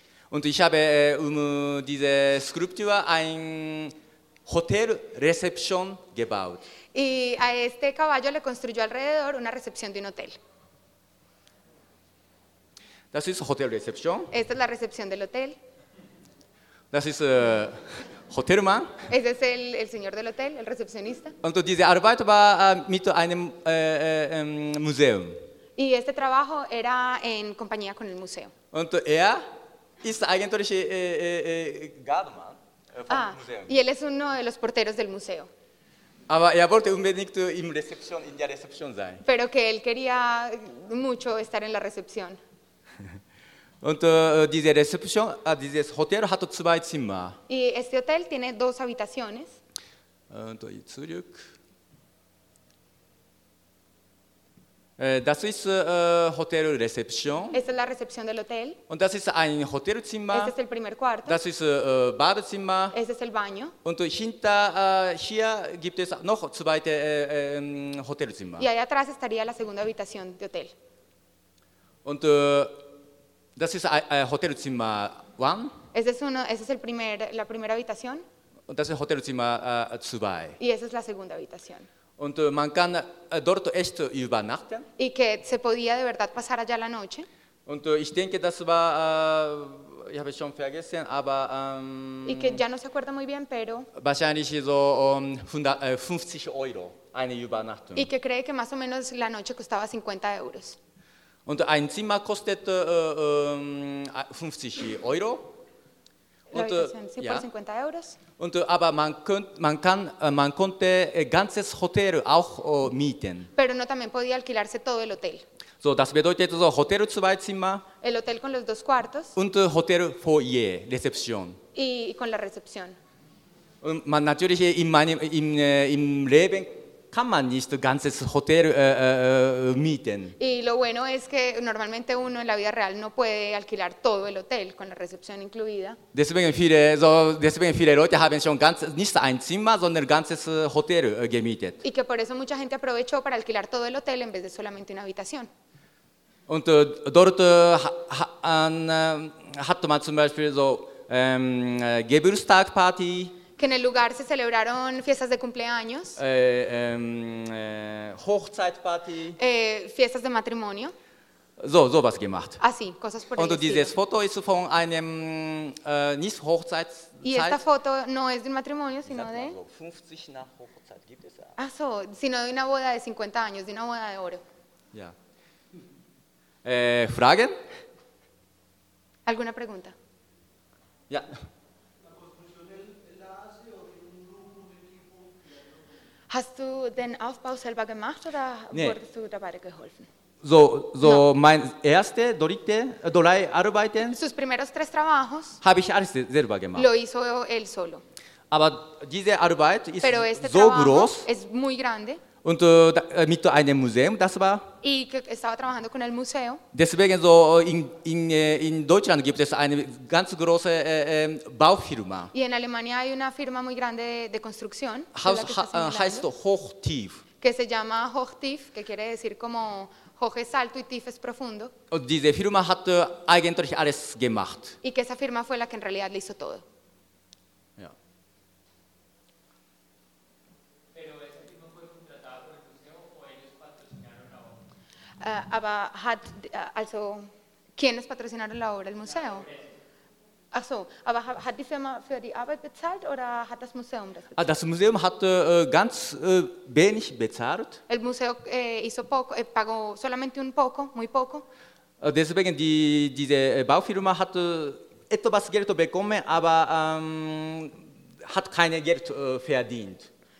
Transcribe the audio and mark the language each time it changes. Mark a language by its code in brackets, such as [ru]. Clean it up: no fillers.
[de] Und ich habe diese Skulptur ein Hotel-Rezeption gebaut. [es] Y a este caballo le construyó alrededor una recepción de un hotel. [de] Das ist Hotel-Rezeption. [es] Esta es la recepción del hotel. [de] Das ist... Hotelman. [es] Ese es el señor del hotel, el recepcionista. [de] Und diese Arbeit war mit einem Museum. [es] Y este trabajo era en compañía con el museo. [de] Und ist eigentlich Guardman vom Museum. [es] Y él es uno de los porteros del museo. [de] Aber wollte unbedingt in der Rezeption sein. [es] Pero que él quería mucho estar en la recepción. [de] Und diese Rezeption, dieses Hotel hat zwei Zimmer. [es] Y este hotel tiene dos habitaciones. [de] Und zurück. Das ist Hotel Rezeption. [es] Esta es la recepción del hotel. [de] Und das ist ein Hotelzimmer. [es] Este es el primer cuarto. [de] Das ist Badezimmer. [es] Este es el baño. [de] Und hinter hier gibt es noch zweite Hotelzimmer. [es] Y allá atrás estaría la segunda habitación de hotel. [de] Und das ist Hotelzimmer 1. [es] Este es el primer la primera habitación. [de] Und das ist Hotelzimmer 2. [es] Y esa es la segunda habitación. [de] Und man kann dort echt übernachten. [es] Y que se podía de verdad pasar allá la noche. [de] Und ich denke, das war, ich habe schon vergessen, aber... [es] Y que ya no se acuerda muy bien, pero... [de] Wahrscheinlich so 50 Euro eine Übernachtung. [es] Y que cree que más o menos la noche costaba 50 euros. [de] Und ein Zimmer kostet 50 Euro. Und, sí, ja. 50 Euros. Und aber man konnte ganzes Hotel auch mieten. [es] Pero no también podía alquilarse todo el hotel. [de] So, das bedeutet so Hotel zwei Zimmer. [es] El hotel con los dos cuartos. [de] Und Hotel Foyer Rezeption. [es] Y con la recepción. [de] Und man natürlich im Leben kann man nicht ganzes Hotel mieten. [es] Y lo bueno es que normalmente uno en la vida real no puede alquilar todo el hotel con la recepción incluida. [de] Deswegen viele Leute haben schon nicht ein Zimmer, sondern ganzes Hotel gemietet. [es] Y que por eso mucha gente aprovechó para alquilar todo el hotel en vez de solamente una habitación. [de] Und dort hat man zum Beispiel so Geburtstagsparty. [es] Que en el lugar se celebraron fiestas de cumpleaños, [de] Hochzeitparty, [es] fiestas de matrimonio. [de] So, sowas gemacht. [es] Ah, sí, cosas por [de] Und dieses estilo. Foto ist von einem nicht Hochzeit. [es] Y esta foto no es de un matrimonio, sino de. [de] So, 50 nach Hochzeit gibt es ja. [es] Ah, so, sino de una boda de 50 años, de una boda de oro. [de] Ja. Fragen? [es] ¿Alguna pregunta? [de] Ja. Hast du den Aufbau selber gemacht oder nee. Wurdest du dabei geholfen? So, mein erste, dritte, drei Arbeiten. [es] Sus primeros tres trabajos. [de] Habe ich alles selber gemacht. [es] Lo hizo él solo. [de] Aber diese Arbeit ist [es] Pero este [de] so groß. [es] Es muy grande. [de] Und mit einem Museum, das war. [es] Y que estaba trabajando con el museo. [de] Deswegen so in Deutschland gibt es eine ganz große Baufirma. [es] Y en Alemania hay una firma muy grande de construcción. [de] Heißt Hochtief. [es] Que se llama Hochtief, que quiere decir como Hoch es alto y Tief es profundo. [de] Und diese Firma hat eigentlich alles gemacht. [es] Y que esa firma fue la que en realidad le hizo todo. Aber ¿quiénes patrocinaron la obra? ¿El museo? [de] Ach so, aber hat die Firma für die Arbeit bezahlt oder hat das Museum das bezahlt? Das Museum hat ganz wenig bezahlt. [es] El museo hizo poco, pagó solamente un poco, muy poco. [de] Deswegen diese Baufirma hat etwas Geld bekommen, aber hat kein Geld verdient.